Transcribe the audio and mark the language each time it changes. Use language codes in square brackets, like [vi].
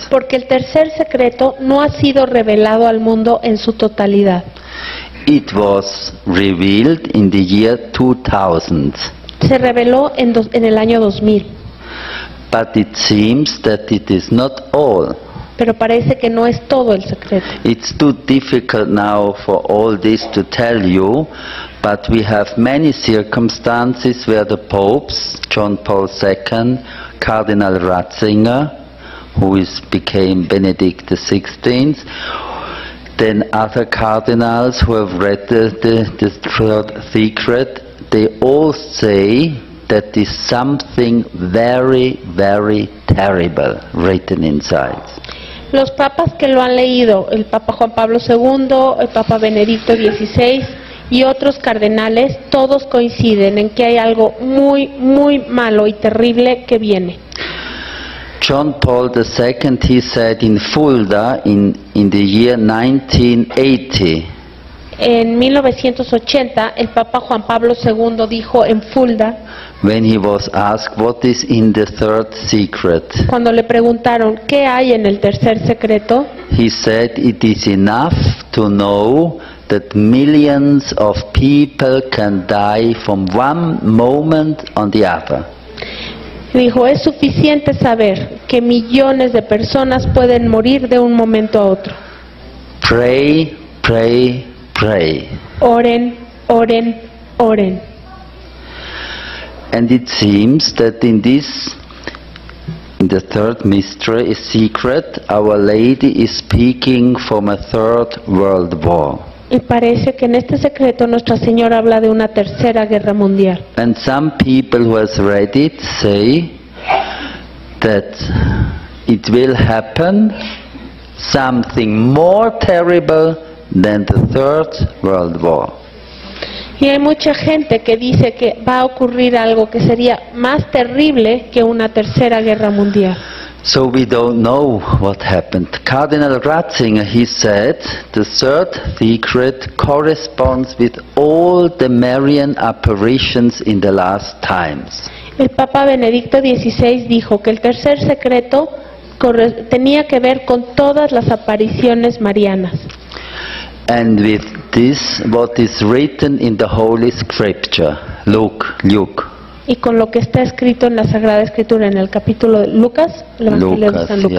[es] Porque el tercer secreto no ha sido revelado al mundo en su totalidad. [en] It was revealed in the year 2000. [es] Se reveló en el año 2000. [en] But it seems that it is not all. [es] Pero parece que no es todo el secreto. [en] It's too difficult now for all this to tell you, but we have many circumstances where the popes, John Paul II, Cardinal Ratzinger, who became Benedict XVI, then other cardinals who have read the third secret, they all say that is something very, very terrible written inside. [es] Los papas que lo han leído, el Papa Juan Pablo II, el Papa Benedicto XVI y otros cardenales, todos coinciden en que hay algo muy, muy malo y terrible que viene. [en] John Paul II, he said in Fulda in the year 1980. [es] En 1980, el Papa Juan Pablo II dijo en Fulda, [en] when he was asked what is in the third secret, [es] cuando le preguntaron qué hay en el tercer secreto, [en] he said it is enough to know that millions of people can die from one moment on the other. [es] Dijo, es suficiente saber que millones de personas pueden morir de un momento a otro. [en] Pray, pray, pray. [es] Oren, oren, oren. [en] And it seems that in the third mystery, a secret, Our Lady is speaking from a third world war. [es] Y parece que en este secreto Nuestra Señora habla de una tercera guerra mundial. [en] And some people who have read it say that it will happen something more terrible than the third world war. [es] Y hay mucha gente que dice que va a ocurrir algo que sería más terrible que una tercera guerra mundial. [en] So we don't know what happened. Cardinal Ratzinger, he said, the third secret corresponds with all the Marian apparitions in the last times. [es] El Papa Benedicto XVI dijo que el tercer secreto tenía que ver con todas las apariciones marianas. [en] And with this, what is written in the Holy Scripture, Luke. [es] Y con lo que está escrito en la Sagrada Escritura, en el capítulo de Lucas, el Evangelio de San Lucas.